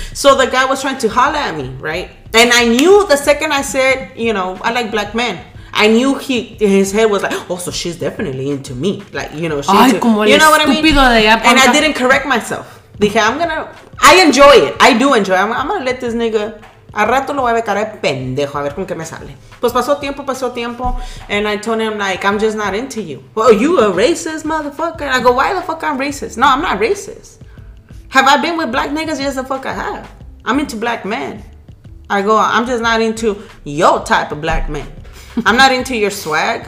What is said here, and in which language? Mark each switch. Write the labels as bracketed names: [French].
[English] So the guy was trying to holler at me, right? And I knew the second I said, you know, I like black men, I knew his head was like, oh, so she's definitely into me, like, you know, she's ay, into, you know what I mean? And I didn't correct myself. Dije, I'm gonna, I enjoy it, I do enjoy it, I'm gonna let this nigga [Spanish] A rato lo voy a ver cara de pendejo, a ver con qué me sale. Pues pasó tiempo, [English] and I told him, like, I'm just not into you. Well, you a racist, motherfucker. I go, why the fuck I'm racist? No, I'm not racist. Have I been with black niggas? Yes, the fuck I have. I'm into black men. I go, I'm just not into your type of black men. I'm not into your swag.